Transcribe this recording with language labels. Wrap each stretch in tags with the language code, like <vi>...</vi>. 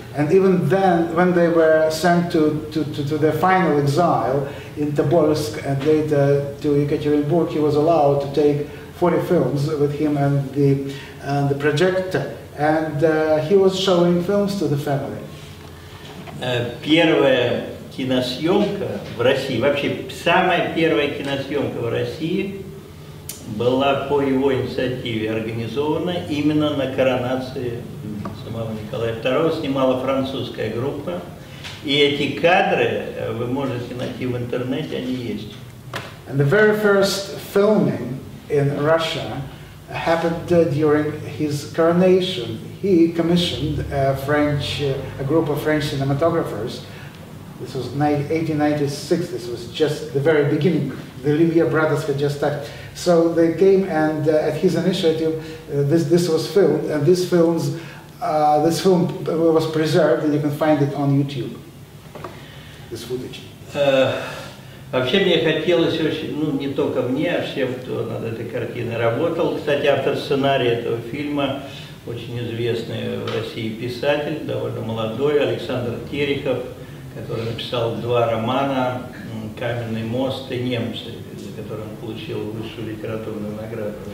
<en>And even then, when they were sent to their final exile in Tobolsk and later to Ekaterinburg, he was allowed to take 40 films with him and the projector. And he was showing films to the family.</en> <ru>Первая киносъемка в России, вообще самая первая киносъемка в России, была по его инициативе организована именно на коронации самого Николая II. Снимала французская группа. И эти кадры вы можете найти в интернете, они есть.</ru> <en>And the very first filming in Russia happened during his coronation. He commissioned a group of French cinematographers. This was 1896, this was just the very beginning. The Olivier brothers had just started. So they came and at his initiative, this was filmed, and this film was preserved, and you can find it on YouTube, this footage.</en> <ru>Вообще мне хотелось очень, ну не только мне, а всем, кто над этой картиной работал. Кстати, автор сценария этого фильма, очень известный в России писатель, довольно молодой, Александр Терехов, который написал 2 романа «Каменный мост» и «Немцы», за который он получил высшую литературную награду.</ru>